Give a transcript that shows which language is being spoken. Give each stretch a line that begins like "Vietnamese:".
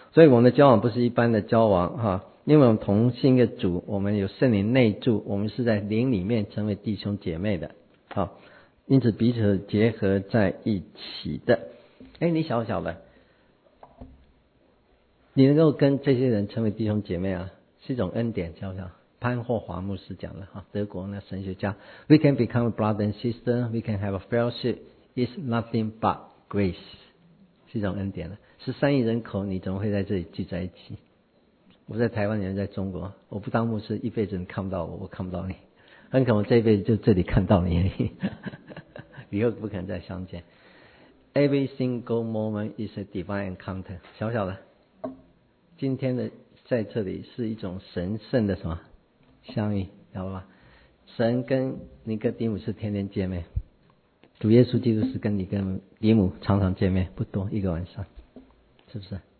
Chinese: 所以我们的交往不是一般的交往哈，因为我们同心一个主，我们有圣灵内住，我们是在灵里面成为弟兄姐妹的。好，因此彼此结合在一起的。哎，你小小的，你能够跟这些人成为弟兄姐妹啊，是一种恩典。小小潘霍华牧师讲的哈，德国那神学家
English: ，We can become a brother and sister, we can have a fellowship, is nothing but grace,
Chinese: 是一种恩典的。 13亿人口，你怎么会在这里聚在一起？我在台湾，你在中国，我不当牧师，一辈子你看不到我，我看不到你，很可能这一辈子就这里看到你，以后不可能再相见。
English: Every single moment is a divine encounter.
Chinese: 小小的，今天的在这里是一种神圣的什么相遇，知道吧？神跟尼哥底母是天天见面，主耶稣基督是跟尼哥底母常常见面，不多，一个晚上，是不是？